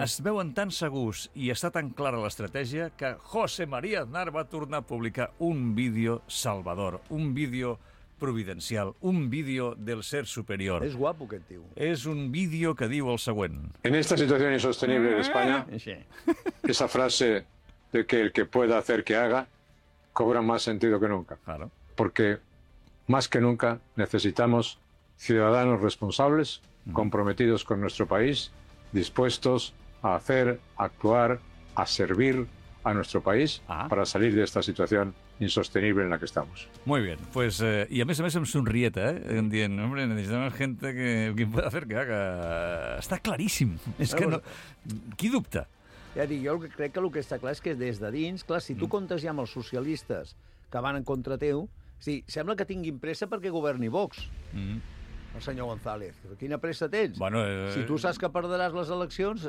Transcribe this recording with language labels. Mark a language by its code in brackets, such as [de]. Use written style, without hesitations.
[ca] Es veuen tan segurs i està tan clara l'estratègia que José María Aznar va tornar a publicar un vídeo salvador, un vídeo providencial, un vídeo del ser superior. És guapo aquest tio. És un vídeo que diu el següent. [es] En esta situación insostenible en España, esa frase de que el que pueda hacer que haga cobra más sentido que nunca. Claro. Porque más que nunca necesitamos ciudadanos responsables, comprometidos con nuestro país, dispuestos a hacer, a actuar, a servir a nuestro país para salir de esta situación insostenible en la que estamos. Muy bien, pues, y [ca] a més em somrieta, [es] ¿eh? [ca] Dient, [es] hombre, necesitamos gente que pueda hacer que haga... Está clarísimo. Es que no... [ca] ¿Qui dubta? Ja dic, jo crec que el que està clar és que des de dins, clar, si tu comptes ja amb els socialistes que van en contra teu, sí, sembla que tinguin pressa perquè governi Vox, el senyor González. Quina pressa tens? Bueno, si tu saps que perdràs les eleccions...